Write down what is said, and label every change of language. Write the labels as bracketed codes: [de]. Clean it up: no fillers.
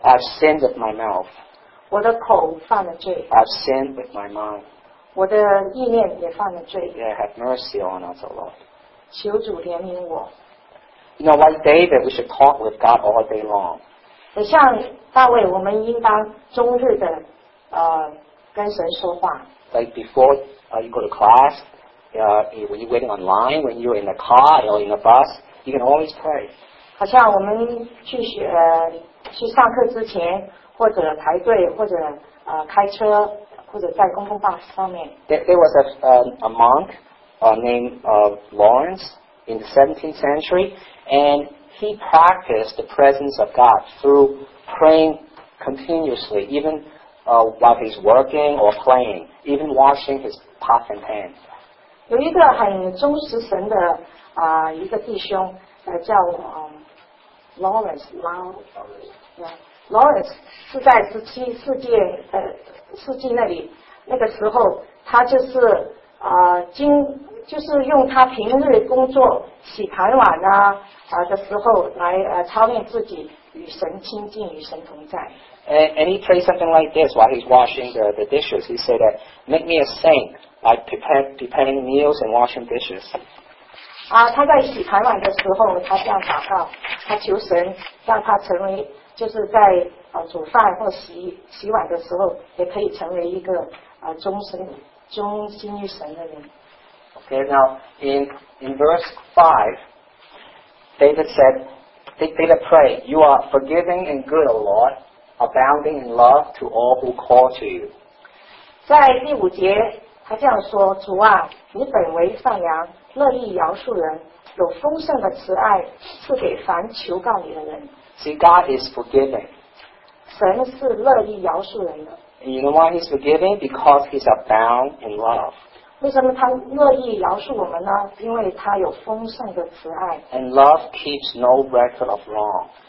[en] I've sinned with my mouth. [zh] 我的口犯了罪。 [en] I've sinned with my mind. [zh] 我的意念也犯了罪。 [en] Yeah, have mercy on us, O Lord. [zh] 求主怜悯我。 [en] You know, like David, we should talk with God all day long. [zh] 像大卫，我们应当终日的跟神说话。 [en] Like before you go to class, when you're waiting online, when you're in the car or in the bus, you can always pray. [zh] 好像我们去上课之前，或者排队，或者开车，或者在公共巴士上面。 [en] There was a monk named Lawrence in the 17th century, and he practiced the presence of God through praying continuously, evenwhile he's working or playing, even washing his pots and pans. [zh] 有一个很忠实神的一个弟兄叫Lawrence 是在17世纪那里，那个时候他就是用他平日工作洗盘碗的时候来操练自己与神亲近，与神同在。 [en] And he prayed something like this while he's washing the dishes. He said that, make me a saint by preparing meals and washing dishes. [zh] 他在洗盘碗的时候他这样祷告，他求神让他成为，就是在煮饭或洗碗的时候也可以成为一个忠心于神的人。 [en] Okay, now in verse 5, David prayed, "You are forgiving and good, O Lord, abounding in love to all who call to you." [zh] 在第五节，他这样说：主啊，你本为善良，乐意饶恕人，有丰盛的慈爱，赐给凡求告你的人。 [en] See, God is forgiving. [zh] 神是乐意饶恕人的。 [en] And you know why He's forgiving? Because He's abound in love. [zh] 为什么他乐意饶恕我们呢？因为他有丰盛的慈爱。 [en] And love keeps no record of wrong.